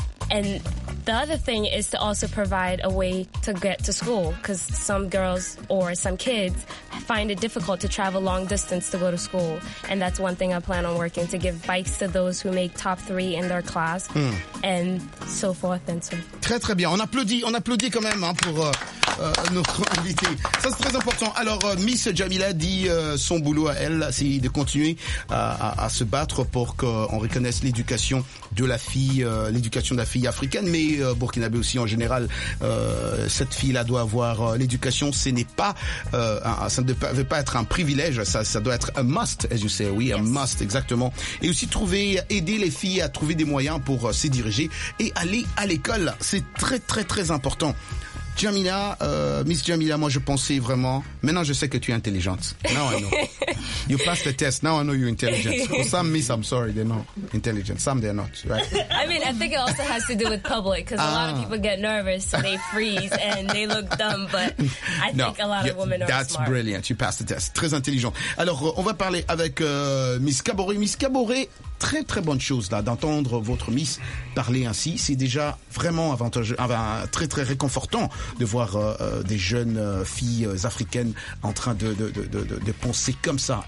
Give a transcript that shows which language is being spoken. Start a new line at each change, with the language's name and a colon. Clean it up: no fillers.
English: And the other thing is to also provide a way to get to school because some girls or some kids find it difficult to travel long distance to go to school. And that's one thing I plan on working to give bikes to those who make top three in their class and so forth and so forth.
French: Très, très bien. On applaudit quand même pour notre invité. Ça, c'est très important. Alors, Miss Jamila dit son boulot à elle, c'est de continuer à se battre pour qu'on reconnaisse l'éducation de la fille, l'éducation de la fille africaine, mais burkinabé aussi en général. Cette fille-là doit avoir l'éducation. Ce n'est pas, ça ne veut pas être un privilège. Ça doit être un must,
English: as you say.
French: Oui, un must, exactement. Et aussi trouver, aider les filles à trouver des moyens pour se diriger et aller à l'école. C'est très, très, très important. Jamila, Miss Jamila, moi je pensais vraiment, maintenant je sais que tu es intelligente.
English: Now I know. You passed the test, now I know you're intelligent. Well, some Miss, I'm sorry, they're not intelligent. Some they're not, right? I mean, I think it also has to do with public, because a lot of people get nervous, so they freeze and they look dumb, but I think a lot of women are that's smart. That's brilliant, you passed the test.
French: Très intelligent. Alors, on va parler avec Miss Caboret. Miss Caboret, très très bonne chose là d'entendre votre Miss parler ainsi. C'est déjà vraiment avantageux, enfin, très très réconfortant de voir des jeunes filles africaines en train de penser comme ça.